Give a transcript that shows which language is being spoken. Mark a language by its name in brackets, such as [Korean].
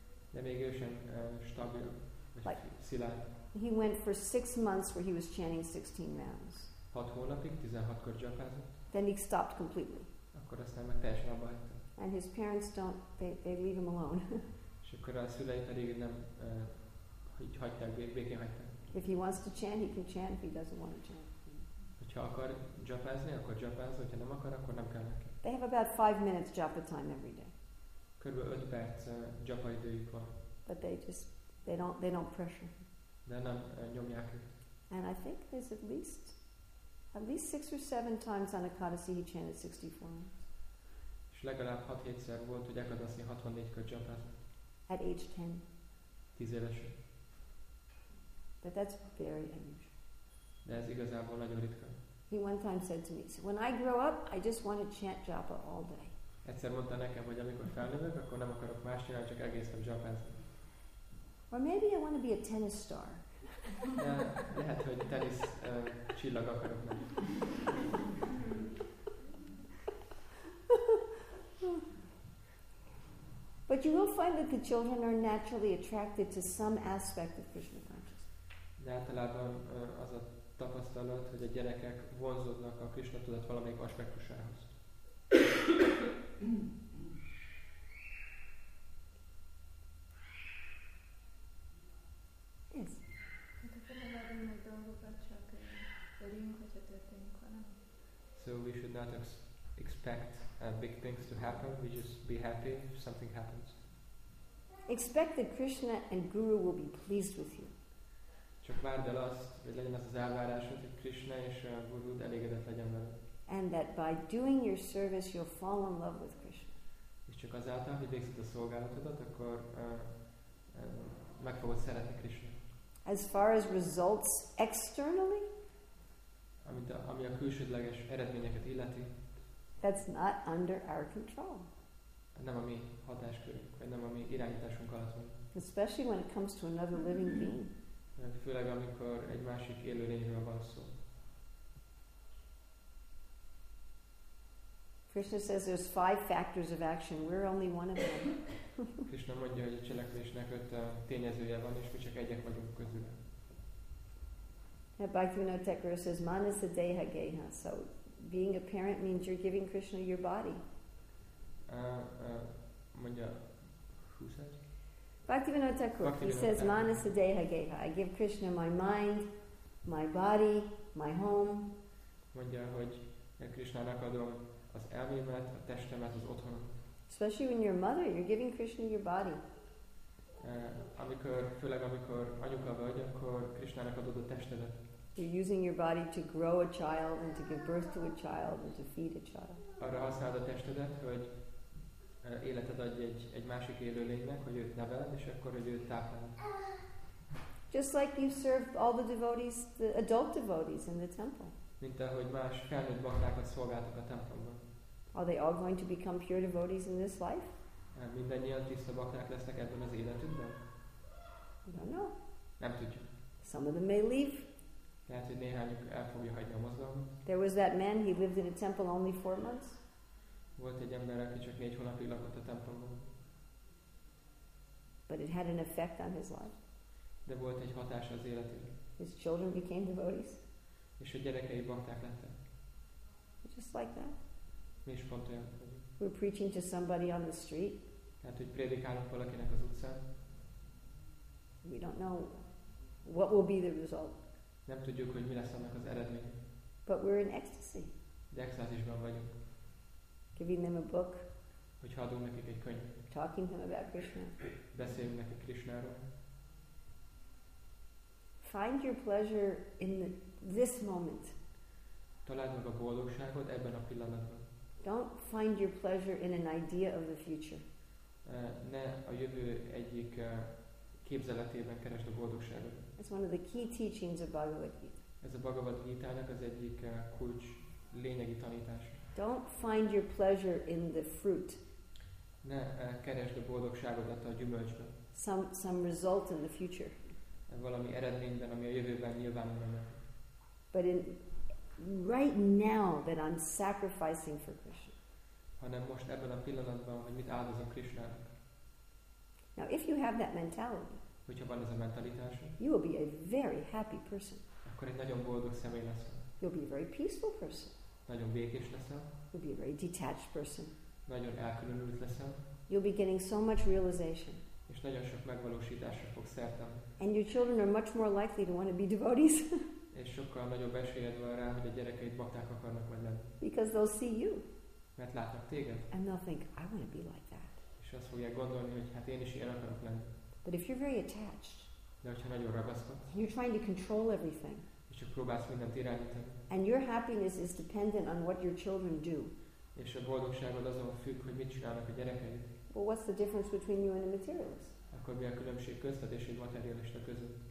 [Hungarian] De még ő sem stabil, szilárd. [English] He went for 6 months where he was chanting 16 rounds. [Hungarian] 6 hónapig 16 kör japázott. [English] Then he stopped completely. [Hungarian] Akkor aztán meg teljesen abba hagyta. [English] And his parents don't, they leave him alone. [Hungarian] És akkor a szülei pedig nem, így hagyták, békén hagyták. [English] If he wants to chant, he can chant, if he doesn't want to chant. [Hungarian] Hogyha akar japázni, akkor japáz, hogyha nem akar, akkor nem kell neki. [English] They have about 5 minutes japa time every day. [Hungarian] Körülbelül 5 perc japa időjük van. [English] But they don't pressure. [Hungarian] De nem nyomják őt. [English] And I think there's at least 6 or 7 times on Ekadasi he chanted 64 rounds. [Hungarian] És legalább 6-7-szer volt, hogy Ekadasi 64 kör japázott. [English] At age 10. [Hungarian] 10 évesen. [English] But that's very unusual. [Hungarian] De ez igazából nagyon ritka. [English] He one time said to me, so when I grow up, I just want to chant japa all day. [Hungarian] Egyszer mondta nekem, hogy amikor felnövök, akkor nem akarok más csinálni, csak egész nap japázni. [English] Or maybe I want to be a tennis star. [Hungarian] Lehet, hogy tenisz csillag akarok lenni. [English] But you will find that the children are naturally attracted to some aspect of Krishna consciousness. [Hungarian] De általában az a tapasztalat, hogy a gyerekek vonzódnak a Krisna tudat valamelyik aspektusához. [English] Yes. [Hungarian] Hát akkor nem adunk meg dolgokat, csak örüljünk, hogyha történik valami. [English] So we should not expect big things to happen, we just be happy if something happens. Expect that Krishna and Guru will be pleased with you. [Hungarian] Csak várd el azt, hogy legyen az az elvárásod, hogy Krishna és a Guru elégedett legyen veled. [English] And that by doing your service you'll fall in love with Krishna. [Hungarian] És csak azáltal, hogy végzed a szolgálatodat, akkor meg fogod szeretni Krishna. [English] As far as results externally? [Hungarian] Ami a külsődleges eredményeket illeti. [English] That's not under our control. [Hungarian] Nem a mi hatáskörünk, vagy nem a mi irányításunk alatt van. [English] Especially when it comes to another living being. [Hungarian] Főleg amikor egy másik élőlényről van szó. [English] Krishna says there's five factors of action. We're only one of them. [Hungarian] Krishna mondja, hogy a cselekvésnek öt tényezője van, és mi csak egyek vagyunk közül. [English] Bhaktivinoda Thakur says manasa deha geha. So being a parent means you're giving Krishna your body. [Hungarian] Mondja, [English] who said? Bhaktivinoda Thakur. He says manasa deha geha. I give Krishna my mind, my body, my home. [Hungarian] Mondja, hogy Krishnának adom az elmémet, a testemet, az otthonom. [English] Especially when you're a mother, you're giving Krishna your body. [Hungarian] Amikor, főleg amikor anyuka vagy, akkor Krishnának adod a testedet. [English] You're using your body to grow a child and to give birth to a child and to feed a child. [Hungarian] Arra használod a testedet, hogy életed adj egy másik élő lénynek, hogy őt neveld, és akkor, hogy őt tápláld. [English] Just like you serve all the devotees, the adult devotees in the temple. [Hungarian] Mint ahogy más felnőtt baktákat szolgáltak a templomban. [English] Are they all going to become pure devotees in this life? [Hungarian] Mindannyian tiszta bakták lesznek ebben az életükben? [English] We don't know. [Hungarian] Nem tudjuk. [English] Some of them may leave. [Hungarian] Lehet, hogy néhányuk el fogja hagyni a mozdalmat. [English] There was that man, he lived in a temple only 4 months. [Hungarian] Volt egy ember, aki csak 4 hónapig lakott a templomban. [English] But it had an effect on his life. [Hungarian] De volt egy hatása az életében. [English] His children became devotees. [Hungarian] És a gyerekei bakták lettek. [English] Just like that. [Hungarian] Mi is pont olyan. [English] We're preaching to somebody on the street. [Hungarian] Hát, hogy prédikálok valakinek az utcán. [English] We don't know what will be the result. [Hungarian] Nem tudjuk, hogy mi lesz annak az eredmény. [English] But we're in ecstasy. [Hungarian] De extázisban vagyunk. [English] Giving them a book. [Hungarian] Hogyha adunk nekik egy könyv. [English] Talking to them about Krishna. [Hungarian] Beszéljünk nekik Krishnáról. [English] Find your pleasure in this moment. [Hungarian] Találd meg a boldogságot ebben a pillanatban. [English] Don't find your pleasure in an idea of the future. [Hungarian] Ne a jövő egyik képzeletében keresd a boldogságot. [English] It's one of the key teachings of Bhagavad Gita. [Hungarian] Ez a Bhagavad Gita-nak az egyik kulcs lényegi tanítás. [English] Don't find your pleasure in the fruit. [Hungarian] Ne keresd a boldogságodat a gyümölcsben. [English] Some result in the future. [Hungarian] Valami eredményben, ami a jövőben nyilvánul meg. [English] But in right now that I'm sacrificing for Krishna. [Hungarian] Hanem most ebben a pillanatban, hogy mit áldozom Krishnának. [English] Now if you have that mentality. [Hungarian] Hogyha van ez a mentalitásod. [English] You will be a very happy person. [Hungarian] Akkor egy nagyon boldog személy leszel. [English] You'll be a very peaceful person. [Hungarian] Nagyon békés leszel. [English] You'll be a very detached person. [Hungarian] Nagyon elkülönült leszel. [English] You'll be getting so much realization. [Hungarian] És nagyon sok megvalósításra fog szert adni. [English] And your children are much more likely to want to be devotees. [Hungarian] És sokkal nagyobb esélyed van rá, hogy a gyerekeid bakták akarnak majd lenni. [English] Because they'll see you. [Hungarian] Mert látnak téged. [English] And they'll think, I want to be like that. [Hungarian] És azt fogják gondolni, hogy hát én is ilyen akarok lenni. [English] But if you're very attached. [Hungarian] De hogyha nagyon ragaszkodsz. [English] And you're trying to control everything. [Hungarian] És csak próbálsz mindent irányítani. [English] And your happiness is dependent on what your children do. [Hungarian] És a boldogságod azon függ, hogy mit csinálnak a gyerekeid. [English] Well, what's the difference between you and a materialist? [Hungarian] Akkor mi a különbség közted és egy materialista között?